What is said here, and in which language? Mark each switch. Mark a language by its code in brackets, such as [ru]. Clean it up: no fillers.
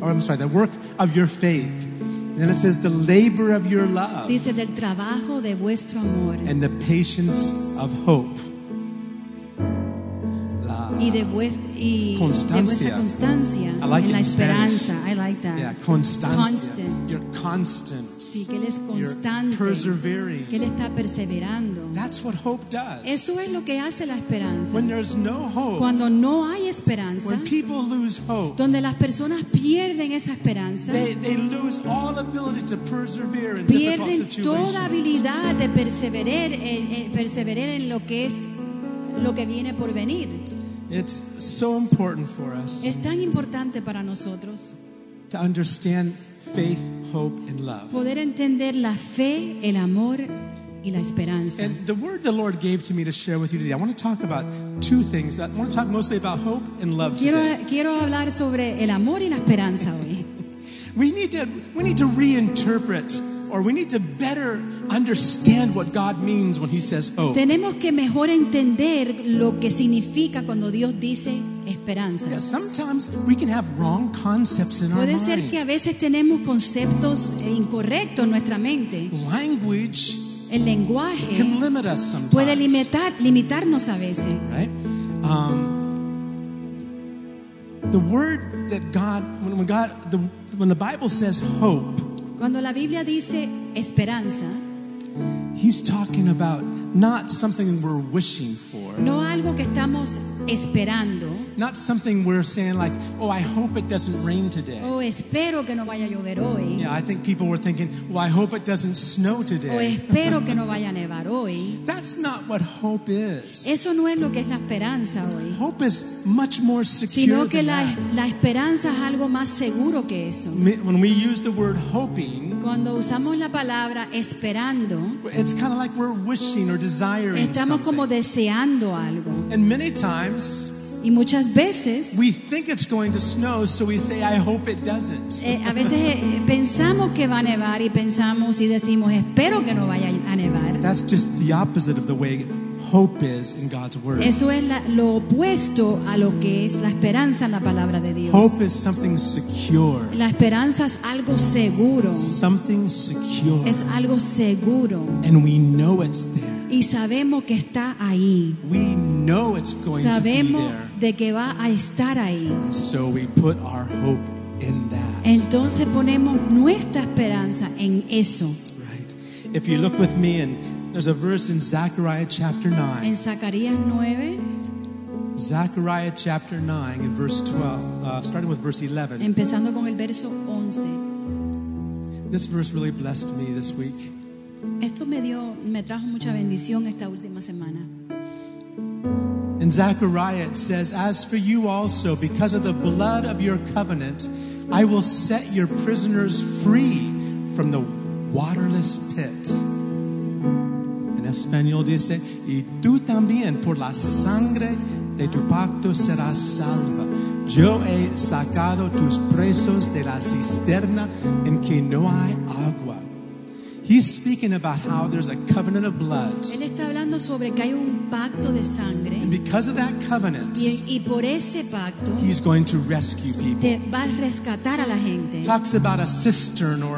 [en] Oh, I'm sorry, the work of your faith. And it says the labor of your love. [es] Dice del trabajo de vuestro amor. [en] And the patience of hope. [es] La y de constancia. [en] I like [es] en [en] it [es] la [en] in [es] esperanza. [en] Spanish. I like that. Yeah, constancia. Constant. You're constant. [es] Sí, que él es constante. [en] You're persevering. [es] Que él está perseverando. [en] That's what hope does. [es] Eso es lo que hace la esperanza. [en] When there's no hope. [es] Cuando no hay esperanza. [en] When people lose hope. [es] Donde las personas pierden esa esperanza. [en] They lose all ability to persevere in difficult situations. [es] Pierden toda habilidad de perseverar en lo que viene por venir. [en] It's so important for us. [es] Es tan importante para nosotros. [en] To understand faith, hope, and love. [es] Poder entender la fe, el amor y la esperanza. [en] And the word the Lord gave to me to share with you today, I want to talk about two things. I want to talk mostly about hope and love today. [es] Quiero hablar sobre el amor y la esperanza hoy. [en] We need to reinterpret, or we need to better understand what God means when he says hope. [es] Tenemos que mejor entender lo que significa cuando Dios dice esperanza. [en] Yeah, sometimes we can have wrong concepts in our mind. [es] Puede ser que a veces tenemos conceptos incorrectos en nuestra mente. [en] Language, [es] el lenguaje, [en] can limit us sometimes. [es] Puede limitarnos a veces. [en] Right? The word that God, when the Bible says hope, [es] cuando la Biblia dice esperanza, [en] he's talking about not something we're wishing for. [es] No algo que estamos esperando. [en] Not something we're saying like, oh, I hope it doesn't rain today. [es] Oh, espero que no vaya a llover hoy. [en] Yeah, I think people were thinking, well, I hope it doesn't snow today. [es] Oh, espero que no vaya a nevar hoy. [en] That's not what hope is. [es] Eso no es lo que es la esperanza hoy. [en] Hope is much more secure than that. [es] Sino que la esperanza es algo más seguro que eso. [en] When we use the word hoping, [es] cuando usamos la palabra esperando, [en] it's kind of like we're wishing or desiring something. [es] Estamos como deseando algo. [en] And many times, [es] y muchas veces, [en] we think it's going to snow, so we say, I hope it doesn't. [es] A veces pensamos que va a nevar y pensamos y decimos, espero que no vaya a nevar. [en] That's just the opposite of the way hope is in God's word. [es] Eso es lo opuesto a lo que es la esperanza en la palabra de Dios. [en] Hope is something secure. [es] La esperanza es algo seguro. [en] Something secure. [es] Es algo seguro. [en] And we know it's there. [es] Y sabemos que está ahí. [en] We know it's going [es] sabemos [en] to be there. [es] De que va a estar ahí. [en] So we put our hope in that. [es] Entonces ponemos nuestra esperanza en eso. [en] Right. If you look with me and there's a verse in Zechariah chapter 9. [es] En Zacarías 9. [en] Zechariah chapter 9 in verse 12. Starting with verse 11. [es] Empezando con el verso 11. [en] This verse really blessed me this week. [es] Esto me trajo mucha bendición esta última semana. [en] In Zechariah it says, as for you also, because of the blood of your covenant, I will set your prisoners free from the waterless pit. [es] Español dice, y tú también por la sangre de tu pacto serás salva. Yo he sacado tus presos de la cisterna en que no hay agua. [en] He's speaking about how there's a covenant of blood. [es] Él está hablando sobre que hay un pacto de sangre. [en] And because of that covenant, [es] y por ese pacto, [en] he's going to rescue people. [es] Te va a rescatar a la gente. [en] Talks about a cistern or,